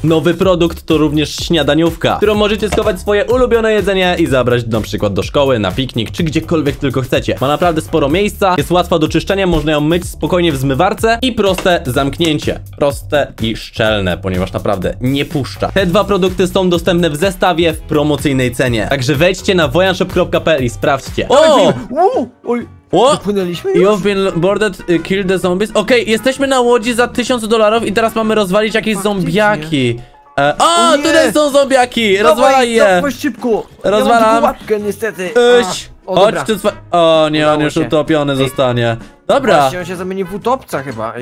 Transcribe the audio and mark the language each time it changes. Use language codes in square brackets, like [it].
[pl] Nowy produkt to również śniadaniówka, którą możecie schować swoje ulubione jedzenie i zabrać na przykład do szkoły, na piknik, czy gdziekolwiek tylko chcecie. Ma naprawdę sporo miejsca, jest łatwa do czyszczenia, można ją myć spokojnie w zmywarce i proste zamknięcie. Proste i szczelne, ponieważ naprawdę nie puszcza. Te dwa produkty są dostępne w zestawie w promocyjnej cenie. Także wejdźcie na voyanshop.pl i sprawdźcie. O! O! [en] You've been boarded, kill the zombies. [pl] Okej, jesteśmy na łodzi za 1000 dolarów i teraz mamy rozwalić jakieś zombiaki. O, tutaj są zombiaki! Rozwalaj je! Szybko! Rozwalam! Łapkę, niestety. Chodź tu. O nie, on już utopiony zostanie. Dobra. On się zamienił w utopca chyba.